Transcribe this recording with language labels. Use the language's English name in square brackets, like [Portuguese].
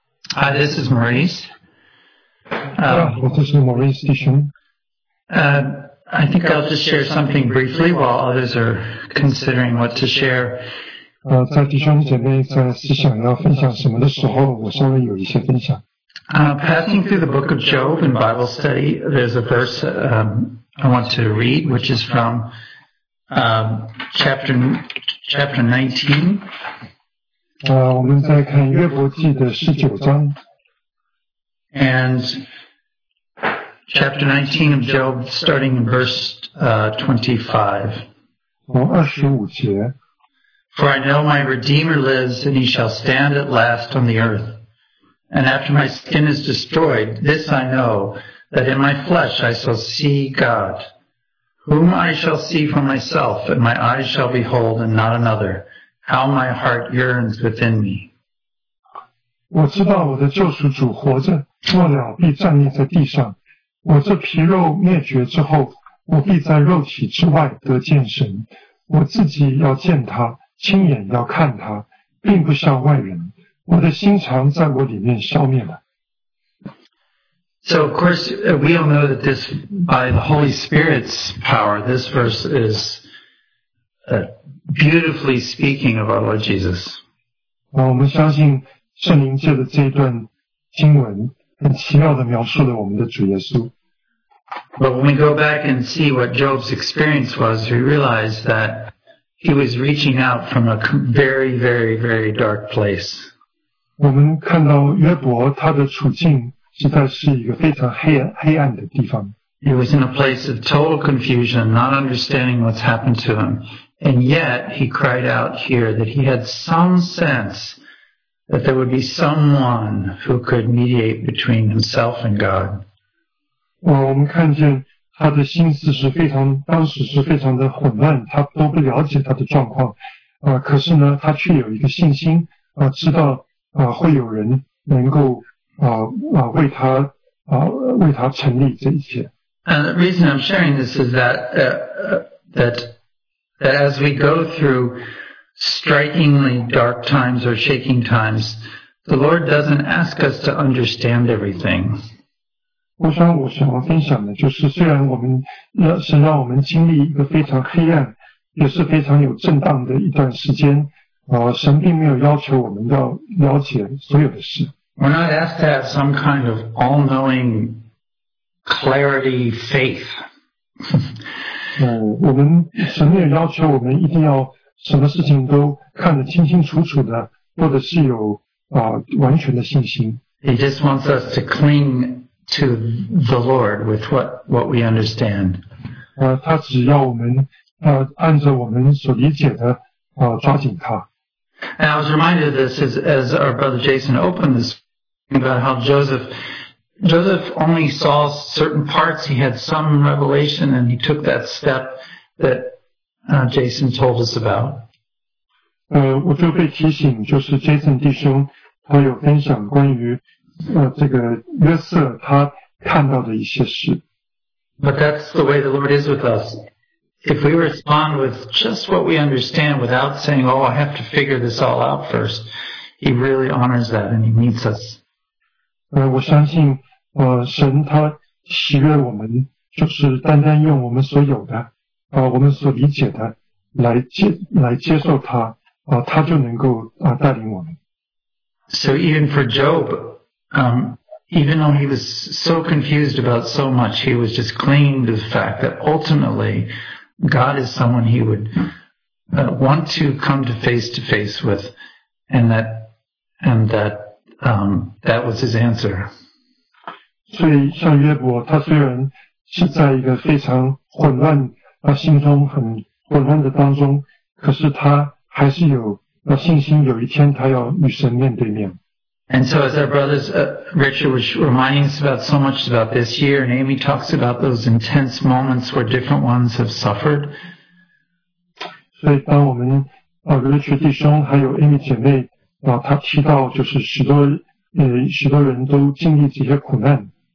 [English] Hi, this is Maurice. This is Maurice Dishon. I think I'll just share something briefly while others are considering what to share. [Chinese] 在弟兄姐妹在思想要分享什么的时候，我稍微有一些分享。 [English] Passing through the book of Job in Bible study, there's a verse I want to read, which is from chapter 19. [Chinese] 我们再看约伯记的十九章。 [English] And chapter 19 of Job, starting in verse 25. For I know my Redeemer lives, and he shall stand at last on the earth. And after my skin is destroyed, this I know, that in my flesh I shall see God, whom I shall see for myself, and my eyes shall behold, and not another. How my heart yearns within me. [Chinese] 我知道我的救赎主活着，末了必站立在地上。我这皮肉灭绝之后，我必在肉体之外得见神。我自己要见他，亲眼要看他，并不像外人。我的心肠在我里面消灭了。 [English] So of course we all know that this by the Holy Spirit's power, this verse is beautifully speaking of our Lord Jesus. [Chinese] 我们相信圣灵借着这一段经文，很奇妙地描述了我们的主耶稣。 [English] But when we go back and see what Job's experience was, we realize that he was reaching out from a very, very, very dark place. [Chinese] 我们看到约伯他的处境实在是一个非常黑暗的地方。 [English] He was in a place of total confusion, not understanding what's happened to him. And yet, he cried out here that he had some sense that there would be someone who could mediate between himself and God. [Chinese] 我们看见他的心思是非常，当时是非常的混乱，他都不了解他的状况。可是呢，他却有一个信心，知道会有人能够为他成立这一切。 [English] And the reason I'm sharing this is that that as we go through strikingly dark times or shaking times, the Lord doesn't ask us to understand everything. [Chinese] 我想我想要分享的就是，虽然我们神让我们经历一个非常黑暗，也是非常有震荡的一段时间，神并没有要求我们要了解所有的事。 [English] We're not asked to have some kind of all-knowing clarity faith. [Chinese] 我们神没有要求我们一定要什么事情都看得清清楚楚的，或者是有完全的信心。 [English] He just wants us to cling to the Lord with what we understand. [Chinese] 他只要我们按着我们所理解的抓紧他。 [English] And I was reminded of this as our brother Jason opened this about how Joseph only saw certain parts. He had some revelation, and he took that step that. Jason told us about. [Chinese] 我就被提醒，就是 Jason 弟兄，他有分享关于这个约瑟他看到的一些事。 [English] But that's the way the Lord is with us. If we respond with just what we understand, without saying, "Oh, I have to figure this all out first," He really honors that and He meets us. [Chinese] 我相信，神他喜悦我们，就是单单用我们所有的。我们所理解的来接受他，他就能够带领我们。 [English] So even for Job, even though he was so confused about so much, he was just clinging to the fact that ultimately God is someone he would want to come to face to face with, and that was his answer. [Chinese] 所以像约伯，他虽然是在一个非常混乱。他心中很混乱的当中，可是他还是有信心，有一天他要与神面对面。 [English] And so as our brothers Richard was reminding us about so much about this year, and Amy talks about those intense moments where different ones have suffered. [Chinese] 所以当我们Richard 弟兄还有 Amy 姐妹他提到就是许多人都经历这些苦难。